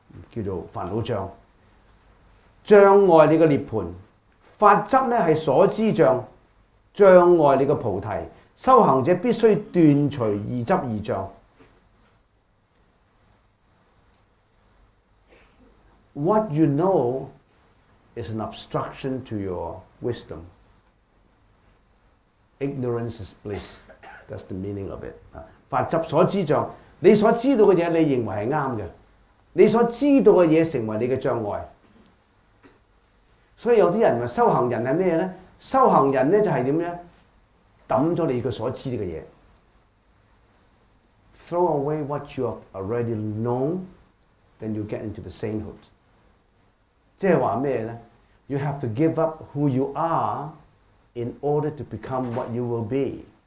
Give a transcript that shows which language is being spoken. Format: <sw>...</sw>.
<yue>叫做煩惱障，障礙你的涅槃。法執咧係所知障，障礙你的菩提。修行者必須斷除二執二障。</yue> <en>What you know is an obstruction to your wisdom. Ignorance is bliss. That's the meaning of it.</en> <yue>法執所知障，你所知道嘅嘢，你認為係啱嘅。你所知道嘅嘢成為你嘅障礙，所以有啲人話修行人係咩咧？修行人咧就係點咧？抌咗你嘅所知嘅嘢</yue> <en>，throw away what you have already known, then you get into the sainthood。</en> <yue>即係話咩咧</yue> <en>？You have to give up who you are in order to become what you will be。</en>